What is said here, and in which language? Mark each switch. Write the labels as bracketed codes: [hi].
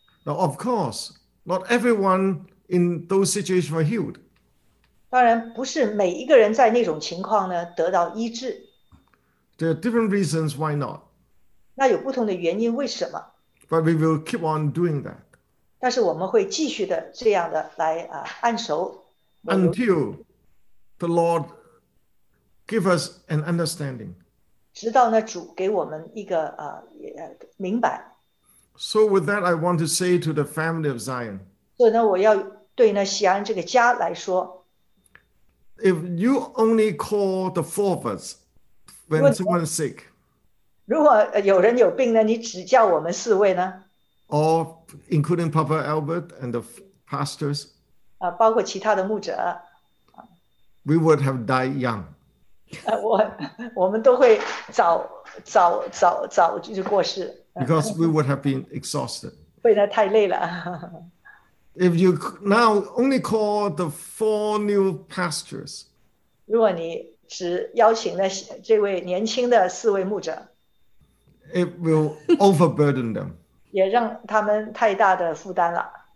[en] Now, of course, not everyone in those situations were healed. [zh] 当然不是每一个人在那种情况呢得到医治。 [en] There are different reasons why not. [zh] 那有不同的原因为什么。 [en] But we will keep on doing that. [zh] 但是我们会继续的这样的来按手。 [en] Until the Lord... Give us an understanding. [zh] 直到呢，主给我们一个明白。 [en] So with that, I want to say to the family of Zion. [zh] 所以呢，我要对呢锡安这个家来说。 [en] If you only call the four of us when someone is sick. [zh] 如果有人有病呢，你只叫我们四位呢 [en] ？Or including Papa Albert and the pastors. [zh] 包括其他的牧者。 [en] We would have died young. [zh] 我们都会早 [en] Because we would have been exhausted. [zh] 被他太累了。 [en] If you now only call the four new pastors, [zh] 如果你只邀请了这位年轻的四位牧者, [en] it will overburden them. [zh] 也让他们太大的负担了。